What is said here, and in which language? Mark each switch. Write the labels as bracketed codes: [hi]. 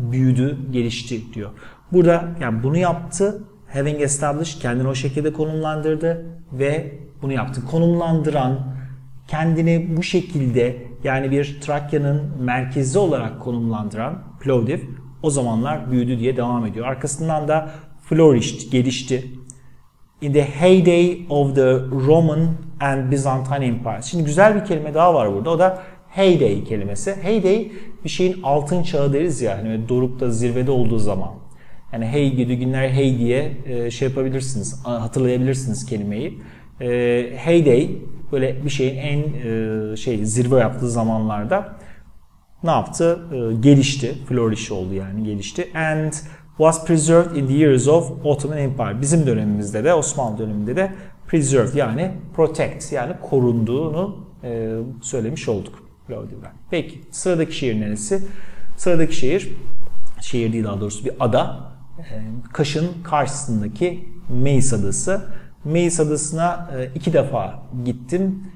[tr] Büyüdü, gelişti diyor. Burada yani bunu yaptı, [en] having established, [tr] kendini o şekilde konumlandırdı ve bunu yaptı. Konumlandıran, kendini bu şekilde, yani bir Trakya'nın merkezi olarak konumlandıran Plovdiv o zamanlar büyüdü diye devam ediyor. Arkasından da flourished, gelişti. [en] In the heyday of the Roman and Byzantine Empire. [tr] Şimdi güzel bir kelime daha var burada. O da heyday kelimesi. Heyday, bir şeyin altın çağı deriz ya. Hani dorukta, zirvede olduğu zaman. Yani hey gidi günler hey diye şey yapabilirsiniz. Hatırlayabilirsiniz kelimeyi. Heyday, böyle bir şeyin en şey zirve yaptığı zamanlarda ne yaptı? Gelişti. Flourish oldu yani. Gelişti. [en] And was preserved in the years of Ottoman Empire. [tr] Bizim dönemimizde de, Osmanlı döneminde de preserved, yani protect, yani korunduğunu söylemiş olduk Plovdiv'den. Peki, sıradaki şehir neresi? Sıradaki şehir değil, daha doğrusu bir ada. Kaş'ın karşısındaki Meis Adası. Meis Adası'na iki defa gittim.